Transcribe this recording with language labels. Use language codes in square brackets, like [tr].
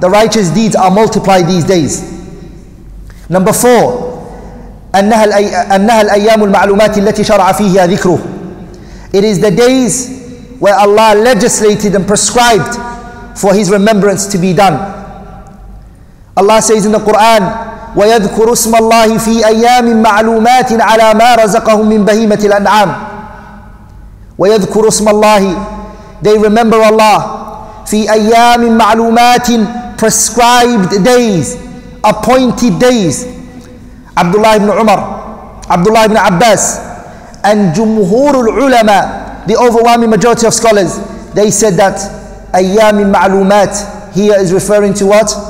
[en] The righteous deeds are multiplied these days. Number 4, [ar] annaha al-ayyam al-ma'lumat allati shar'a fiha dhikruhu. [en] It is the days where Allah legislated and prescribed for his remembrance to be done. Allah says in the Quran, [ar] وَيَذْكُرُ اسْمَ اللَّهِ فِي أَيَّامٍ مَعْلُومَاتٍ عَلَى مَا رَزَقَهُمْ مِنْ بَهِيمَةِ الْأَنْعَامِ. وَيَذْكُرُ اسْمَ اللَّهِ. [en] They remember Allah. [ar] فِي أَيَّامٍ مَعْلُومَاتٍ, [en] prescribed days, appointed days. Abdullah ibn Umar, Abdullah ibn Abbas, and [ar] جُمْهُورُ الْعُلَمَاء, [en] the overwhelming majority of scholars, they said that [ar] أَيَّامٍ مَعْلُومَاتٍ [en] here is referring to what?